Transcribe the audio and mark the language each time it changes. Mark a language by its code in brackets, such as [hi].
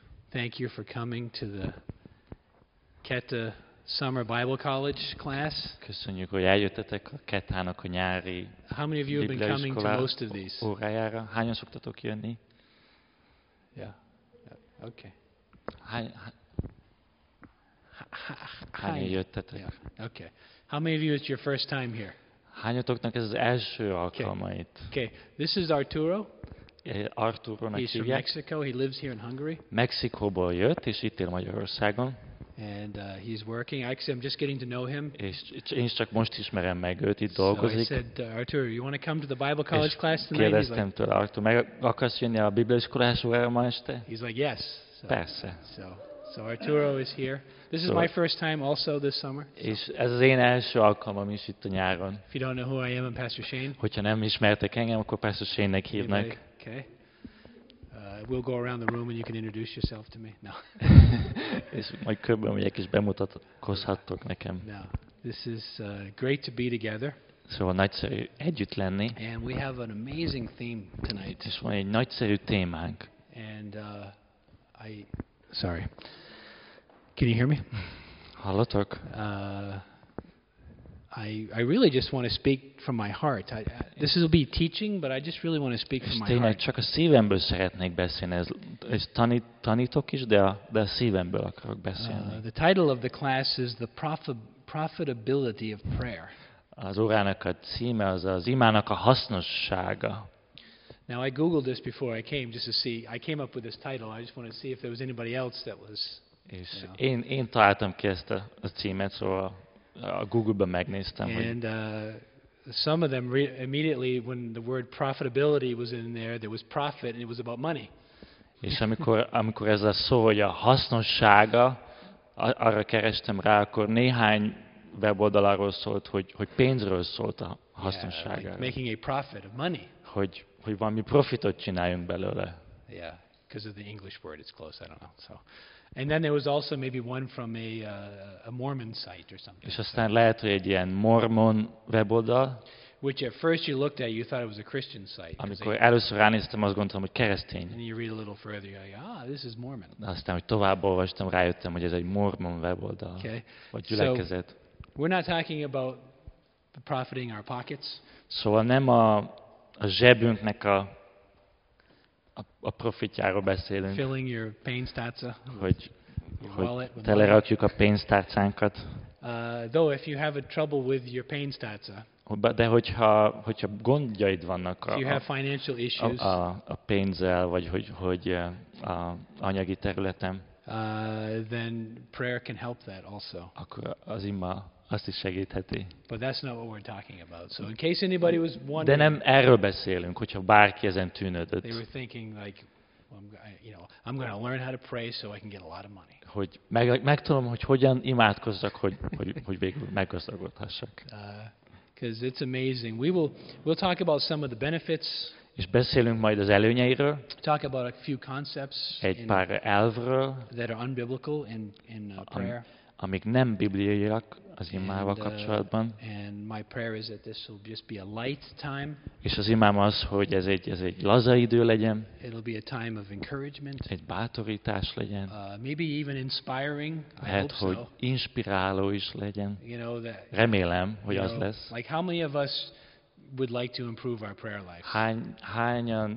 [en] Thank you for coming to the Keta Summer Bible College class. [hu] Köszönjük, hogy eljöttetek a Ketának a nyári. [en] How many of you have been coming to most of these? [hu] Órájára. Hányan szoktatok jönni? [en] Yeah. Okay. [hu] Hányan jöttetek? [en] Yeah. Okay. How many of you is your first time here? [hu] Hányatoknak ez az első alkalma itt? [en] Okay, this is Arturo. [hu] Arturo-nak hívják. [en] He's from Mexico. He lives here in Hungary. [hu] Mexikóból jött, és itt él Magyarországon. [en] And he's working. Actually, I'm just getting to know him. [hu] Én csak most ismerem meg őt, itt dolgozik. [en] So I said, Arturo, you want to come to the Bible college class tonight? [hu] És kérdeztem tőle, Arturo, meg akarsz jönni a bibliaiskolásra ma este? [en] He's like, yes. [hu] Persze. [en] So Arturo is here. This is my first time also this summer. [hu] És ez az én első alkalmam is itt a nyáron. [en] If you don't know who I am, I'm Pastor Shane. [hu] Hogyha nem ismertek engem, akkor Pastor Shane-nek hívnak. [en] Okay. We'll go around the room and you can introduce yourself to me. No. [hu] És majd körben megyek és bemutatkozhattok nekem. [en] No. This is great to be together. [hu] Szóval nagyszerű együtt lenni. [en] And we have an amazing theme tonight. [hu] És van egy nagyszerű témánk. [en] And sorry. Can you hear me? [hu] Hallotok. [en] I really just want to speak from my heart. This will be teaching, but I just really want to speak from my heart. [hu] Tényleg csak a szívemből szeretnék beszélni. Ez tanítok is, de a szívemből akarok beszélni. [en] The title of the class is the profitability of prayer. [hu] Az órának a címe az imának a hasznossága. [en] Now I googled this before I came just to see. I came up with this title. I just wanted to see if there was anybody else that was. [hu] És én találtam ki ezt a címet, szóval a Google-ben megnéztem. [en] And some of them immediately when the word profitability was in there, there was profit and it was about money. [hu] És amikor ez a szó, hogy a hasznossága, arra kerestem rá, akkor néhány weboldalról szólt, hogy pénzről szólt a hasznossága. [en] Yeah, like making a profit of money. [hu] Hogy valami profitot csináljunk belőle. [en] Yeah, because of the English word, it's close, I don't know. So. And then there was also maybe one from a Mormon site or something. [hu] És aztán lehet, hogy egy ilyen Mormon weboldal. [en] Which at first you looked at, you thought it was a Christian site. [hu] Amikor először ránéztem, azt gondoltam, hogy keresztény. [en] And you read a little further, you're like, this is Mormon. [hu] Aztán, hogy tovább olvastam, rájöttem, hogy ez egy Mormon weboldal. [en] Okay. [hu] Vagy gyülekezet. [en] So, we're not talking about profiting our pockets. [hu] Szóval nem a zsebünknek a profitjáról beszélünk. [en] Filling your pain stats. [hu] Hogy telerakjuk a pénztárcánkat. [en] Though if you have a trouble with your pain stats. [hu] De hogyha gondjaid vannak [en] if you have financial issues. [hu] A pénzzel vagy hogy a anyagi területen. [en] Then prayer can help that also. [hu] Akkor az ima azt is segítheti. [en] But that's not what we're talking about. So in case anybody was wondering. [hu] De nem erről beszélünk, hogyha bárki ezen tűnődött. [en] They were thinking like, I'm going to learn how to pray so I can get a lot of money. [hu] Hogy megtudom, hogy hogyan imádkozzak, hogy végül meggazdagodhassak. [en] Because it's amazing. We'll talk about some of the benefits. [hu] És beszélünk majd az előnyeiről. [en] Talk about a few concepts. [hu] Egy pár elvről. [en] That are unbiblical in prayer. [hu] Amik nem bibliaiak az imával kapcsolatban. [en] And my prayer is that this will just be a light time. [hu] És az imám az, hogy ez egy laza idő legyen. [en] It'll be a time of encouragement. [hu] Egy bátorítás legyen. [en] Maybe even inspiring. [hu] Lehet, hogy inspiráló is legyen. [en] You know that. [hu] Remélem, hogy az lesz. [en] Like how many of us would like to improve our prayer life?